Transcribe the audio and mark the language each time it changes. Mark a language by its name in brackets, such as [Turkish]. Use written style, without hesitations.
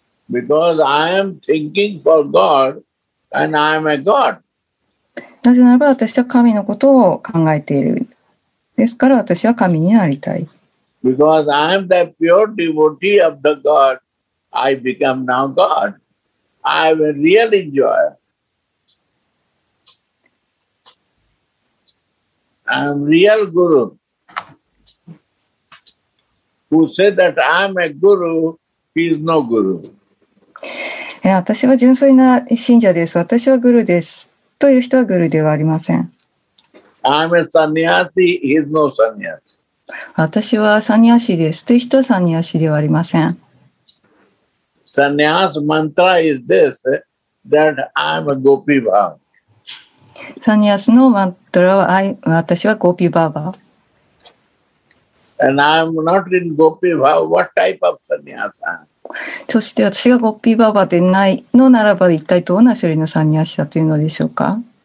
[English] Because I am thinking for God and I am a God. [Japanese] なぜならば私は神のことを考えている。ですから私は神になりたい。 [English] Because I am the pure devotee of the God, I become now God. I am a real enjoyer. I am real guru. Who said that I am a guru, he is no guru. [Japanese] 私は純粋な信者です。私はグルです。という人はグルではありません。 [English] I am a sannyasi, he is no sannyasi. [Japanese] 私はサニアシです。という人はサニアシではありません。 [English] サニアス mantra is this, that I am a gopi bhava. [Japanese] サニアスのマントラは私はゴピバーバ [English] ー。 And I'm not in Gopi Baba. What type of sannyas? [Japanese] そして私がゴピバーバーでないのならば一体どんな種類のサニアスだというのでしょうか。